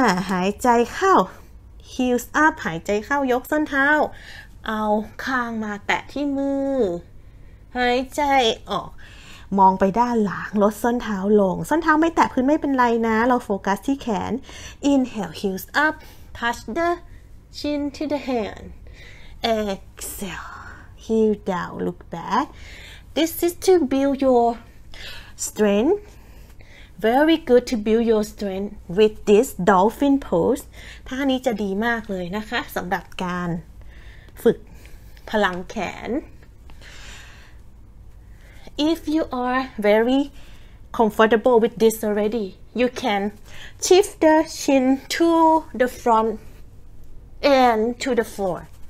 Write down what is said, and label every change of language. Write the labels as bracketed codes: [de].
[th] หายใจเข้า [en] heels up [th] หายใจเข้ายกส้นเท้าเอาข้างมาแตะที่มือหายใจออก มองไปด้านหลังลดส้นเท้าลงส้นเท้าไม่แตะพื้นไม่เป็นไรนะเราโฟกัสที่แขน [en] inhale heels up touch the chin to the hand exhale heel down look back this is to build your strength very good to build your strength with this dolphin pose [th] ท่านี้จะดีมากเลยนะคะสำหรับการฝึกพลังแขน [en] If you are very comfortable with this already, you can shift the chin to the front and to the floor.